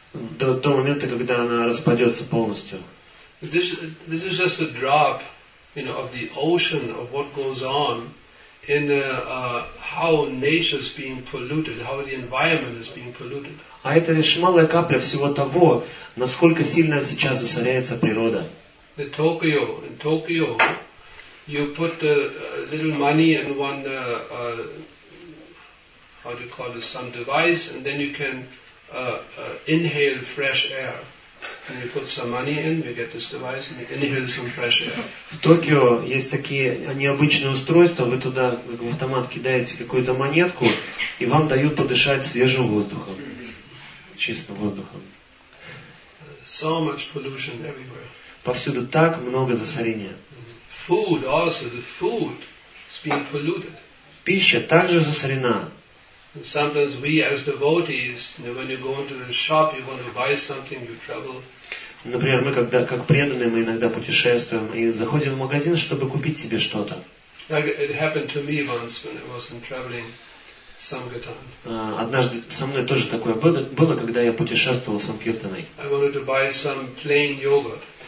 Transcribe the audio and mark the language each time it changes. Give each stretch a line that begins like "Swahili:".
Russian: До того момента, когда она распадется полностью.
English: This is just a drop, you know, of the ocean of what goes on in how nature is being polluted, how the environment is being polluted.
Russian: А это лишь малая капля всего того, насколько сильно сейчас засоряется природа.
English: The Tokyo, in Tokyo, you put a little money in one, how do you call this, some device, and then you can inhale fresh air. And you put some money in, you get this device, and you inhale some fresh air.
Russian: В Токио есть такие необычные устройства, вы туда в автомат кидаете какую-то монетку, и вам дают подышать свежим воздухом, чистым воздухом.
English: So much pollution everywhere.
Russian: Повсюду так много засорения.
English: Food also, the food is being polluted.
Russian: Пища также засорена.
English: And sometimes we as devotees, you know, when you go into the shop, you want to buy something, you travel.
Russian: Например, мы когда, как преданные, мы иногда путешествуем и заходим в магазин, чтобы купить себе что-то.
English: It happened to me once when I was traveling Sankirtan.
Russian: Однажды со мной тоже такое было, когда я путешествовал с Санкиртаной.
English: I wanted to buy some plain yogurt.